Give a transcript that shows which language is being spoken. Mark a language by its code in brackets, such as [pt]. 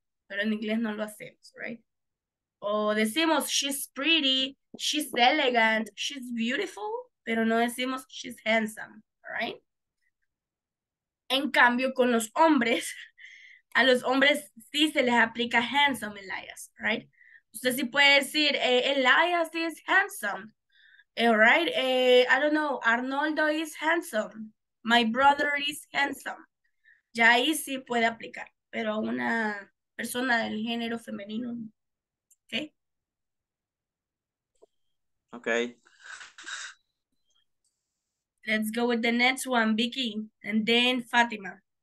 [es] Pero en inglés no lo hacemos, right? O decimos [en] she's pretty, she's elegant, she's beautiful, [es] pero no decimos [en] she's handsome, [es] right? En cambio, con los hombres, a los hombres sí se les aplica handsome, Elias, right? Usted sí puede decir, [en] Elias is handsome. [es] Right? [en] I don't know, Arnoldo is handsome, my brother is handsome. [es] Ya ahí sí puede aplicar, pero una persona del género femenino, ¿ok? [en] Ok. Let's go with the next one, Vicky, and then Fatima.